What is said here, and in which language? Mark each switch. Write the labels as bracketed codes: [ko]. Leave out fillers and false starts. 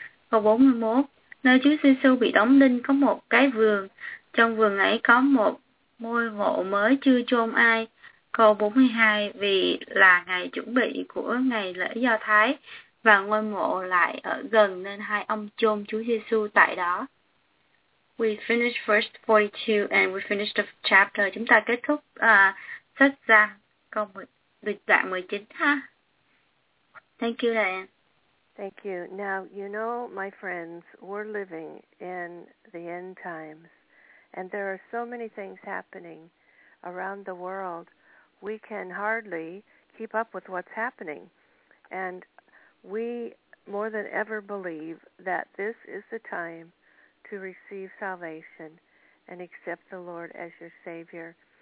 [vi] Câu 41, nơi Chúa Giê-xu bị đóng đinh có một cái vườn. Trong vườn ấy có một ngôi mộ mới chưa chôn ai. Câu 42, vì là ngày chuẩn bị của ngày lễ Do Thái và ngôi mộ lại ở gần nên hai ông chôn Chúa Giêsu tại đó. [en] We finished verse 42 and we finished the chapter. [vi] Chúng ta kết thúc sách Giăng câu 10, đoạn 19 ha. [en] Thank you, Diane. Thank you. Now, you know, my friends, we're living in the end times and there are so many things happening around the world. We can hardly keep up with what's happening. And we more than ever believe that this is the time to receive salvation and accept the Lord as your Savior.